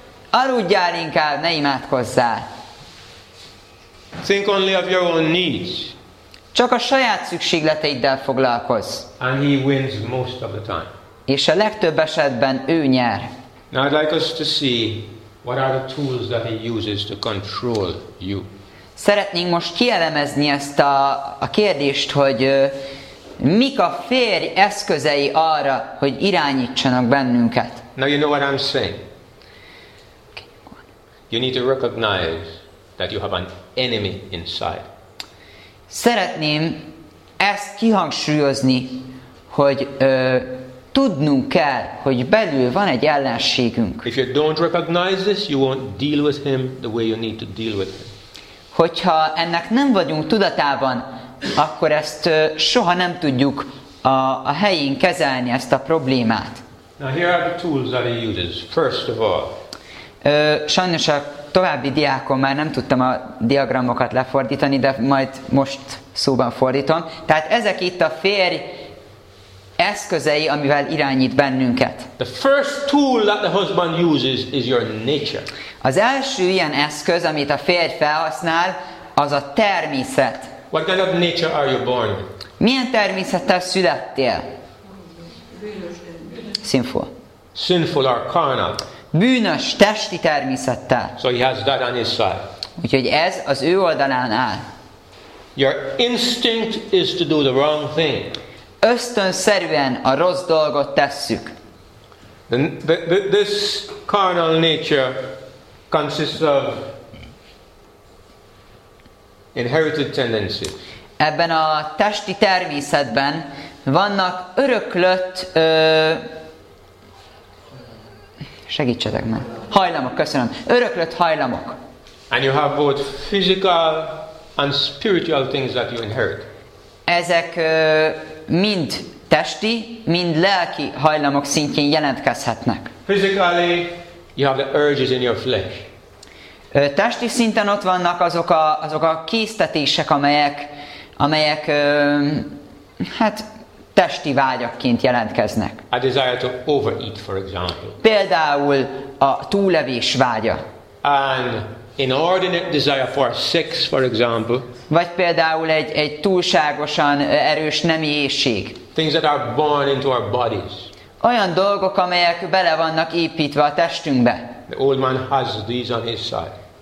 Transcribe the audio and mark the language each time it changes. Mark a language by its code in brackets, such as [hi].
[hu] Aludjál inkább, ne imádkozzál! [en] Think only of your own needs. [hu] Csak a saját szükségleteiddel foglalkozz. [en] And he wins most of the time. [hu] És a legtöbb esetben ő nyer. [en] Now I'd like us to see what are the tools that he uses to control you. [hu] Szeretnénk most kielemezni ezt a kérdést, hogy mik a férj eszközei arra, hogy irányítsanak bennünket. [en] Now you know what I'm saying. You need to recognize that you have an enemy inside. [hu] Szeretném ezt kihangsúlyozni, hogy tudnunk kell, hogy belül van egy ellenségünk. [en] If you don't recognize this, you won't deal with him the way you need to deal with him. [hu] Hogyha ennek nem vagyunk tudatában, akkor ezt soha nem tudjuk a helyén kezelni ezt a problémát. [en] Now here are the tools that he uses. First of all. [hu] Sajnos a további diákon már nem tudtam a diagramokat lefordítani, de majd most szóban fordítom. Tehát ezek itt a férj eszközei, amivel irányít bennünket. [en] The first tool that the husband uses is your nature. [hu] Az első ilyen eszköz, amit a férj felhasznál, az a természet. [en] What kind of nature are you born? [hu] Milyen természettel születtél? [en] Sinful. Sinful or carnal. [hu] Bűnös, testi természettel. [en] So he has that on his side. [hu] Úgyhogy ez az ő oldalán áll. [en] Your instinct is to do the wrong thing. [hu] Ösztönszerűen a rossz dolgot tesszük. [en] This carnal nature consists of inherited tendencies. [hu] Ebben a testi természetben vannak öröklött segítsetek meg. Hajlamok, köszönöm. Öröklött hajlamok. [en] And you have both physical and spiritual things that you inherit. [hu] Ezek mind testi, mind lelki hajlamok szintjén jelentkezhetnek. [en] Physically, you have the urges in your flesh. [hu] Testi szinten ott vannak azok a késztetések, amelyek hát testi vágyakként jelentkeznek. [en] A desire to overeat, for example. [hu] Például a túlevés vágya. [en] an inordinate desire for sex, for example. [hu] Vagy például egy túlságosan erős nemi éhség. [en] Things that are born into our bodies. [hu] Olyan dolgok, amelyek bele vannak építve a testünkbe. [en] The old man has these on his side.